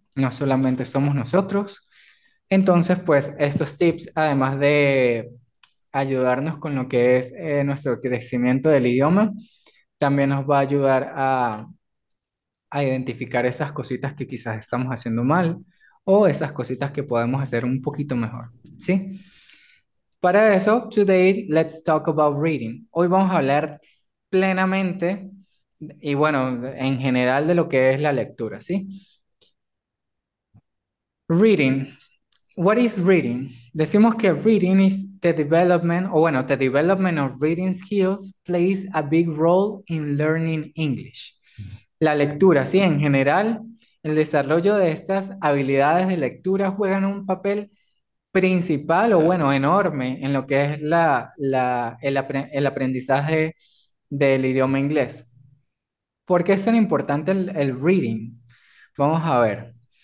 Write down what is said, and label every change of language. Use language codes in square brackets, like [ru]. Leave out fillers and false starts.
[es] No solamente somos nosotros. Entonces, pues estos tips, además de ayudarnos con lo que es nuestro crecimiento del idioma, también nos va a ayudar a identificar esas cositas que quizás estamos haciendo mal o esas cositas que podemos hacer un poquito mejor, ¿sí? Para eso, [en] today let's talk about reading. [es] Hoy vamos a hablar plenamente y bueno, en general de lo que es la lectura, ¿sí? [en] Reading. What is reading? [es] Decimos que [en] reading is the development, [es] o bueno, [en] the development of reading skills plays a big role in learning English. [es] La lectura, sí, en general, el desarrollo de estas habilidades de lectura juegan un papel principal, o bueno, enorme, en lo que es el aprendizaje del idioma inglés. ¿Por qué es tan importante el reading? Vamos a ver.